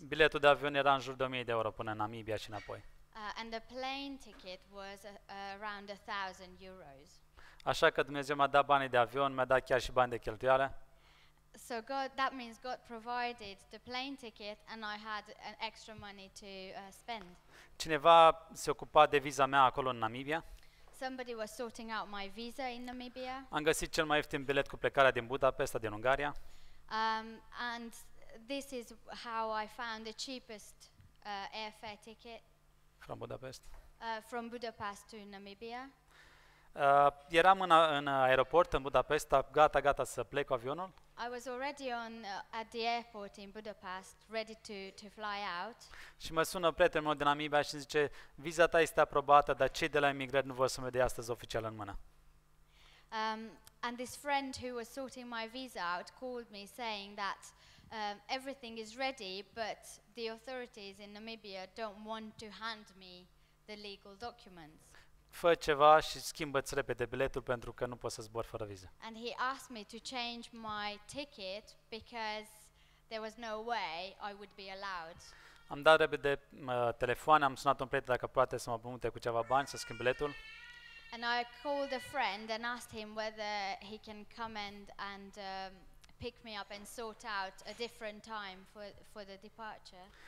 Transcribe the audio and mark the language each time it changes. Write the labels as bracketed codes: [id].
[ro] Biletul de avion era în jur de 1000 de euro până în Namibia și înapoi. [en] And the plane ticket was around 1000 euros. [ro] Așa că Dumnezeu m-a dat banii de avion, mi-a dat chiar și bani de cheltuială. [en] So God, that means God provided the plane ticket and I had an extra money to spend. [ro] Cineva se ocupa de viza mea acolo în Namibia. [en] Somebody was sorting out my visa in Namibia. [ro] Am găsit cel mai ieftin bilet cu plecarea din Budapesta din Ungaria. [en] And this is how I found the cheapest airfare ticket. From Budapest. From Budapest to Namibia. [ro] Eram în aeroport în Budapesta, gata să plec cu avionul. [en] I was already on at the airport in Budapest, ready to fly out. [ro] Și mă sună prietenul meu din Namibia și zice: "Viza ta este aprobată, dar cei de la imigrat nu vor să mă dea astăzi oficial în mână." [en] And this friend who was sorting my visa out called me saying that everything is ready, but the authorities in Namibia don't want to hand me the legal documents. [ro] Fă ceva și schimbă-ți repede biletul pentru că nu poți să zbori fără viză. [en] And he asked me to change my ticket because there was no way I would be allowed. [ro] Am dat repede telefon, am sunat un prieten dacă poate să mă împrumute cu ceva bani să schimb biletul. [en] And I called a friend and asked him whether he can come and pick me up and sort out a different time for the departure.